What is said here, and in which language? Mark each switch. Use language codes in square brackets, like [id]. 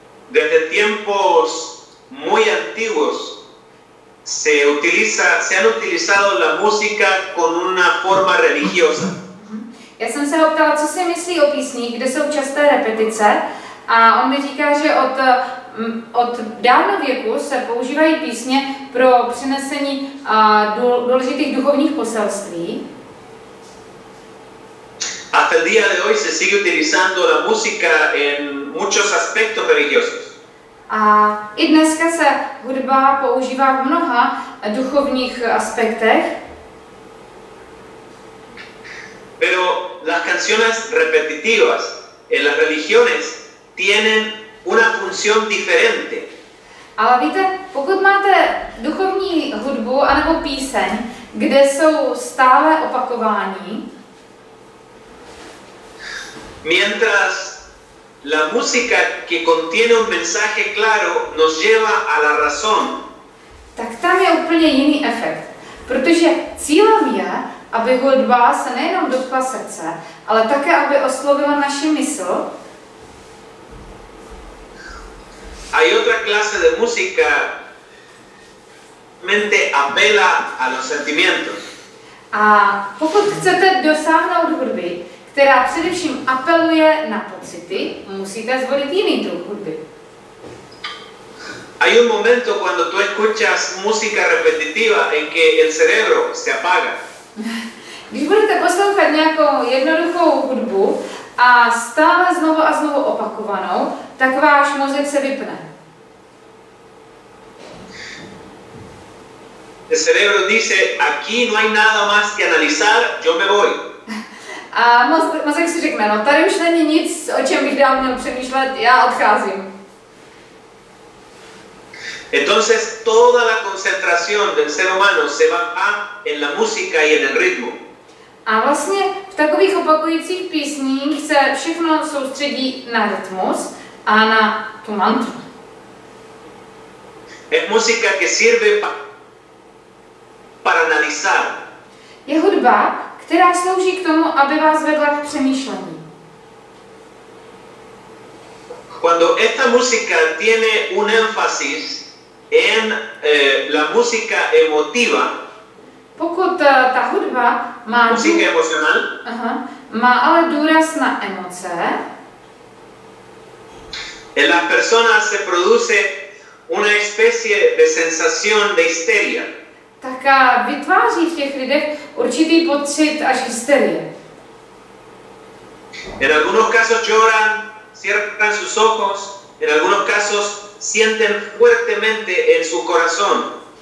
[es] Desde tiempos muy antiguos se han utilizado la música con una forma religiosa. [cs] Já jsem se ho ptala, co si myslí o písních, kde jsou časté repetice, a on mi říká, že od dávnověku se používají písně pro přinesení důležitých duchovních poselství. [es] Hasta el día de hoy se sigue utilizando la música en muchos aspectos religiosos. [cs] A i dneska se hudba používá v mnoha duchovních aspektech. [es] Pero las canciones repetitivas en las religiones tienen una función diferente. [cs] Ale víte, pokud máte duchovní hudbu anebo píseň, kde jsou stále opakování, [es] mientras la música que contiene un mensaje claro nos lleva a la razón, [cs] tak tam je úplně jiný efekt, protože cílem je, aby hudba se nejenom dotkla srdce, ale také, aby oslovila naši mysl. [es] Hay otra clase de música mente apela a los sentimientos. [cs] A pokud chcete dosáhnout hudby, která především apeluje na pocity, musíte zvolit jiný druh hudby. [es] Hay un momento cuando tú escuchas música repetitiva en que el cerebro se apaga. [cs] Když budete poslouchat nějakou jednoduchou hudbu a stále znovu a znovu opakovanou, tak váš mozek se vypne. [es] El cerebro dice, aquí no hay nada más que analizar, yo me voy. [cs] A mozek si řekne, no tady už není nic, o čem bych dál měl přemýšlet, já odcházím. [es] Entonces toda la concentración del ser humano se va en la música y en el ritmo. [cs] A vlastně v takových opakujících písních se všechno soustředí na rytmus a na tu mantru. [es] Es música que sirve para analizar. [cs] Je hudba, která slouží k tomu, aby vás vedla k přemýšlení. [es] Cuando esta música tiene un énfasis en la música emotiva. [cs] Pokud ta hudba má [es] música emocional. [cs] Má ale důraz na emoce. [es] En las personas se produce una especie de sensación de histeria. [cs] Tak vytváří v těch lidech určitý pocit až hysterie. [es] En algunos casos lloran, cierran sus ojos, en algunos casos sienten fuertemente en su corazón.